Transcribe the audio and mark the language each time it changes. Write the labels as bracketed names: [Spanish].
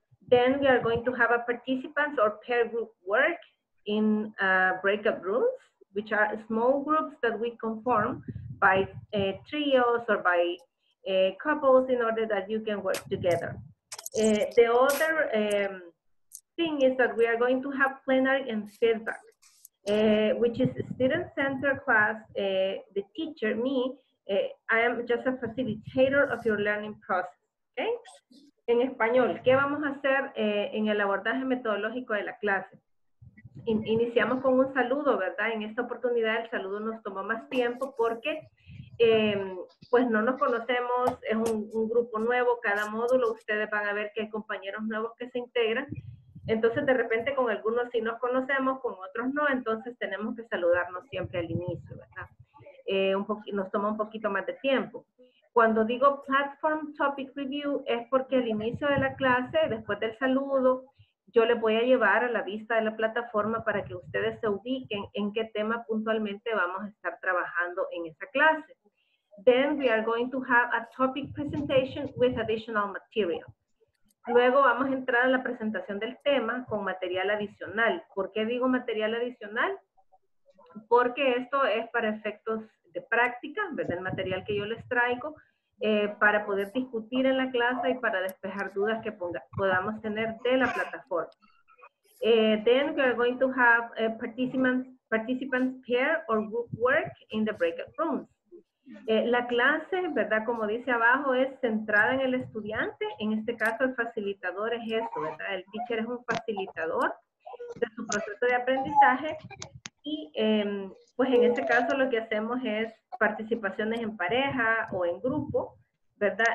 [English] Then we are going to have a participants or pair group work in breakout rooms, which are small groups that we can form by trios or by couples in order that you can work together. The other thing is that we are going to have plenary and feedback, which is student-centered class. The teacher, me, I am just a facilitator of your learning process. Okay? [Spanish] En español, ¿qué vamos a hacer en el abordaje metodológico de la clase? Iniciamos con un saludo, ¿verdad? En esta oportunidad el saludo nos tomó más tiempo porque pues no nos conocemos, es un grupo nuevo, cada módulo ustedes van a ver que hay compañeros nuevos que se integran. Entonces, de repente, con algunos sí nos conocemos, con otros no, entonces tenemos que saludarnos siempre al inicio, ¿verdad? Nos toma un poquito más de tiempo. Cuando digo Platform Topic Review, es porque al inicio de la clase, después del saludo, yo les voy a llevar a la vista de la plataforma para que ustedes se ubiquen en qué tema puntualmente vamos a estar trabajando en esa clase. [English] Then we are going to have a topic presentation with additional material. [Spanish] Luego vamos a entrar a la presentación del tema con material adicional. ¿Por qué digo material adicional? Porque esto es para efectos de práctica, ¿verdad? El material que yo les traigo, para poder discutir en la clase y para despejar dudas que podamos tener de la plataforma. [English] Then we are going to have participants pair or group work in the breakout rooms. [Spanish] La clase, ¿verdad? Como dice abajo, es centrada en el estudiante. En este caso, el facilitador es esto, ¿verdad? El teacher es un facilitador de su proceso de aprendizaje. Y, pues, en este caso, lo que hacemos es participaciones en pareja o en grupo, ¿verdad?